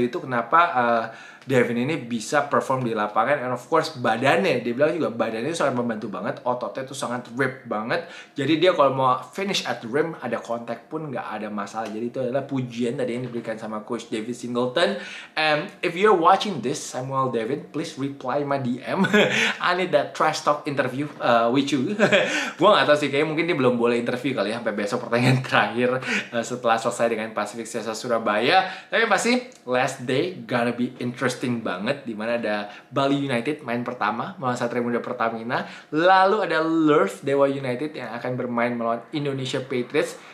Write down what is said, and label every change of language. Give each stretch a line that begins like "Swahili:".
Indonesian: Itu kenapa Devin ini bisa perform di lapangan.
English: And of course
Indonesian: badannya, dia bilang juga badannya itu sangat membantu banget. Ototnya itu sangat rip banget. Jadi dia kalau mau
English: finish at the rim,
Indonesian: ada kontak pun gak ada masalah. Jadi itu adalah pujian tadi yang diberikan sama Coach David Singleton.
English: And if you're watching this, Samuel Devin, please reply my DM. I need that trash talk interview with you.
Indonesian: Gue gak tau sih, kayaknya mungkin dia belum boleh interview kali ya, sampai besok pertanyaan terakhir setelah selesai dengan Pacific Sesa Surabaya. Tapi pasti
English: last day gonna be interesting
Indonesian: banget, dimana ada Bali United main pertama melawan Satria Muda Pertamina. Lalu ada Love Dewa United yang akan bermain melawan Indonesia Patriots.